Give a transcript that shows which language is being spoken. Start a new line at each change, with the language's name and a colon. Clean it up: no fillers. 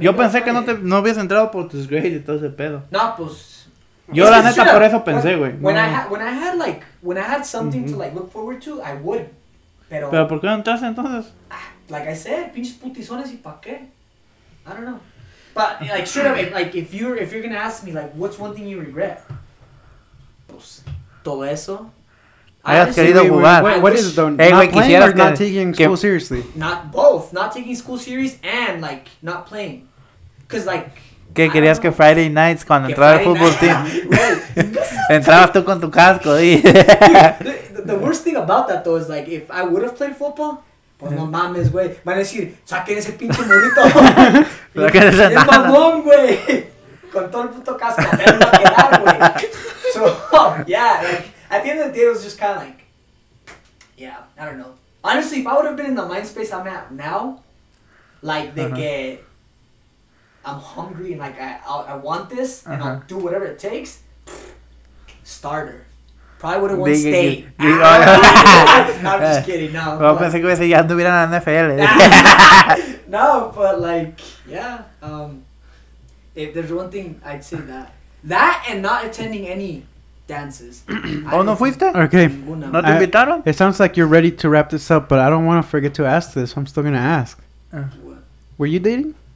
Spanish: yo pensé que no habías entrado por tus
English: grades
Spanish: y todo ese pedo. No, pues. Yo la neta por eso pensé, güey.
English: When I had something to, like, look forward to, I would.
Spanish: Pero ¿por qué no entraste entonces?
English: Like I said,
Spanish: pinches putizones y pa' qué.
English: I don't know. But, like, straight up, like, if you're gonna ask me, like, what's one thing you regret?
Spanish: Pues, todo eso.
English: I have
Spanish: querido jugar.
English: What is it, though? Hey, not taking school seriously. Not both. Not taking school serious and, like, not playing. Because, like,
Spanish: ¿qué querías que
English: Friday nights
Spanish: cuando entraba el fútbol team? Entrabas tú con tu casco.
English: Dude, the worst thing about that, though, is like, if I would have played football,
Spanish: pues no mames, güey. Van a decir, saquen ese pinche morrito. Es mamón, güey. Con todo el puto casco. Va a quedar, güey.
English: So, yeah, like, at the end of the day, it was just kind of like, yeah, I don't know. Honestly, if I would have been in the mind space I'm at now, like, they get... I'm hungry and like I want this and I'll do whatever it takes. Starter, probably would have won state. I'm just kidding. No.
Spanish: Well, pensé que iba a decir ya anduviera en la NFL.
English: No, but like yeah. If there's one thing I'd say that and not attending any dances.
Spanish: Oh, no, fuiste?
English: Okay.
Spanish: No te invitaron.
English: It sounds like you're ready to wrap this up, but I don't want to forget to ask this. So I'm still gonna ask. What? Were you dating?